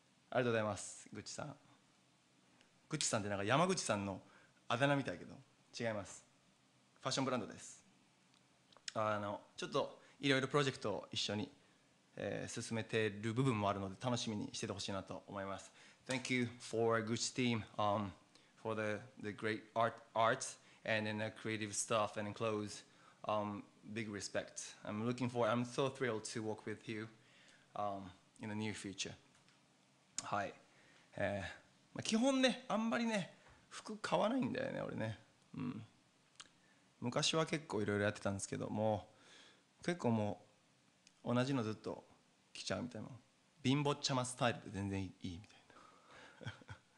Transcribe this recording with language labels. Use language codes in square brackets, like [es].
[ja] ありがとうございます、グッチさん。グッチさんってなんか山口さんのあだ名みたいけど、違います。ファッションブランドです。ちょっといろいろプロジェクトを一緒に、進めてる部分もあるので、楽しみにしててほしいなと思います。 [en] Thank you for Gucci team for the great art and then the creative stuff and clothes. Big respect. I'm so thrilled to work with you in the near future. [ja] はい。まあ、基本ね、あんまりね、服買わないんだよね、俺ね。うん。昔は結構いろいろやってたんですけど、もう結構もう同じのずっと着ちゃうみたいな。貧乏ちゃまスタイルで全然いいみたいな。